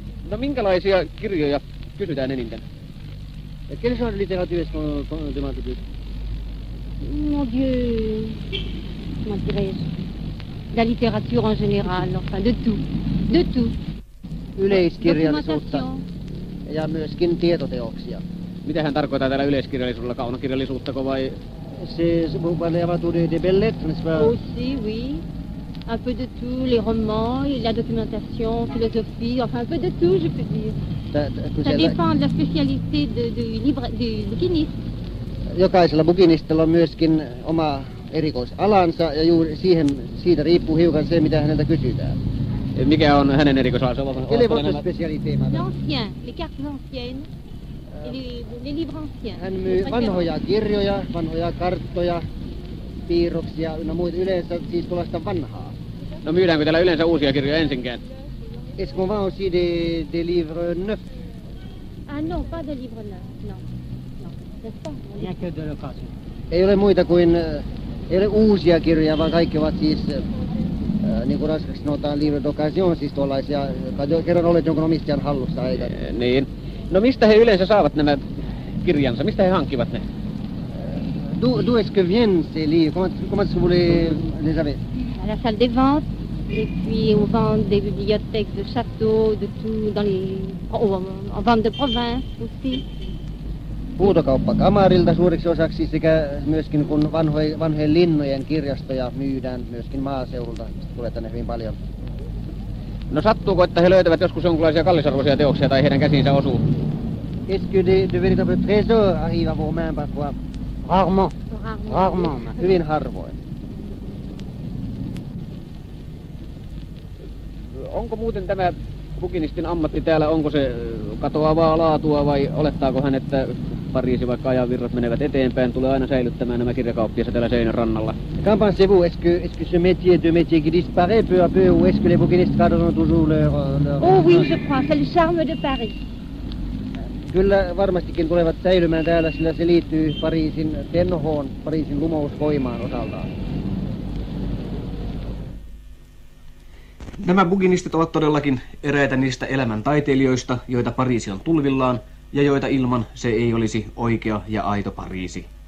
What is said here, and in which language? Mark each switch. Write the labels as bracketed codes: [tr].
[fi] No, minkälaisia kirjoja kysytään enintään? [fr] Quelle genre de littérature est-ce qu'on demande de plus? Mon Dieu, comment dirais-je? La littérature en général, enfin de tout, de tout. [fi] Yleiskirjallisuutta ja myöskin tietoteoksia. Mitä hän tarkoittaa tällä yleiskirjallisuudella, kaunokirjallisuuttako vai? [fr] C'est vous parlez avant tout des belles lettres, n'est-ce pas? Aussi, oui. Un peu de tout, les romans, la documentation, philosophie, enfin un peu de tout, je peux dire. Ça dépend de la spécialité du bouquiniste. [fi] Jokaisella bukinistella on myöskin oma erikoisalansa ja juuri siihen siitä riippuu hiukan se mitä häneltä kysytään. Mikä on hänen erikoisalansa? [fr] Quelle est votre spécialité, madame? L'ancien, les cartes anciennes, les livres anciens. [fi] Hän myy vanhoja kirjoja, vanhoja karttoja, piirroksia ynnä muita yleensä siis tuollaista vanhaa. No myydäänkö täällä yleensä uusia kirjoja ensinkään? [fr] Est-ce qu'on vend aussi des livres neufs? Ah non, pas des livres neufs, non. Non, n'est-ce pas? Rien que de l'occasion. [fi] Ei ole muita kuin, ei ole uusia kirjoja, vaan kaikki ovat siis, niin kuin raskaksi sanotaan, [fr] livres d'occasion, [fi] siis tuollaisia, tai kerran olet jonkun omistajan hallussa, eikä. Niin. No mistä he yleensä saavat nämä kirjansa? Mistä he hankkivat ne? [fr] D'où est-ce que vient ces livres? Comment est-ce que vous les avez? À la salle des ventes. Et puis on vend des bibliothèques de châteaux, de tout, dans les... on vend de province aussi. [fi] Huutokauppakamarilta suureksi osaksi sekä myöskin kun vanhojen linnojen kirjastoja myydään myöskin maaseudulta, tulee tänne hyvin paljon. No sattuuko, että he löytävät joskus jonkinlaisia kallisarvoisia teoksia tai heidän käsiinsä osuu? [fr] Est-ce que de véritable trésor arrive à vos mains parfois? Rarement. [fi] Hyvin harvoin. Onko muuten tämä bukinistin ammatti täällä, onko se katoavaa laatua vai olettaako hän, että Pariisi vaikka ajan virrat menevät eteenpäin, tulee aina säilyttämään nämä kirjakauppiaat täällä seinän rannalla? [fr] Qu'en pensez-vous? Est-ce que ce métier de métier qui disparaît peu à peu ou est-ce que les bouquinistes garderont toujours leur... Oh oui, je crois, c'est le charme de Paris. [fi] Kyllä varmastikin tulevat säilymään täällä, sillä se liittyy Pariisin tenhoon, Pariisin lumousvoimaan osaltaan. Nämä bukinistit ovat todellakin eräitä niistä elämän taiteilijoista, joita Pariisi on tulvillaan ja joita ilman se ei olisi oikea ja aito Pariisi.